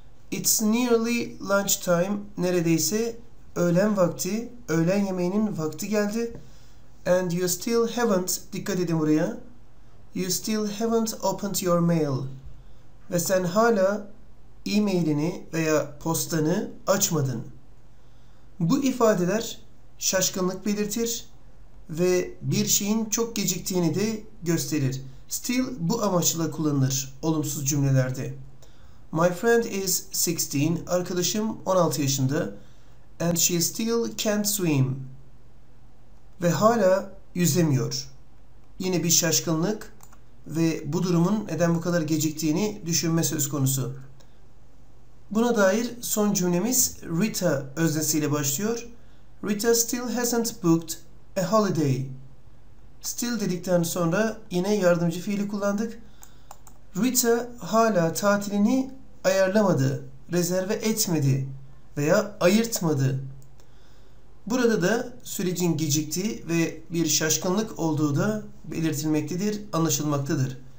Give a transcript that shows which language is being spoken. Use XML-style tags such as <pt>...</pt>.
<en>It's nearly lunch time.</en> <tr>Neredeyse öğlen vakti, öğlen yemeğinin vakti geldi.</tr> <en>And you still haven't,</en> <tr>dikkat edin buraya.</tr> <en>You still haven't opened your mail.</en> <tr>Ve sen hala e-mailini veya postanı açmadın. Bu ifadeler şaşkınlık belirtir ve bir şeyin çok geciktiğini de gösterir. Still bu amaçla kullanılır olumsuz cümlelerde.</tr> <en>My friend is 16,</en> <tr>arkadaşım 16 yaşında.</tr> <en>And she still can't swim.</en> <tr>Ve hala yüzemiyor. Yine bir şaşkınlık ve bu durumun neden bu kadar geciktiğini düşünme söz konusu. Buna dair son cümlemiz Rita öznesiyle başlıyor.</tr> <en>Rita still hasn't booked a holiday.</en> <tr>Still dedikten sonra yine yardımcı fiili kullandık. Rita hala tatilini ayarlamadı, rezerve etmedi veya ayırtmadı. Burada da sürecin geciktiği ve bir şaşkınlık olduğu da belirtilmektedir, anlaşılmaktadır.</tr>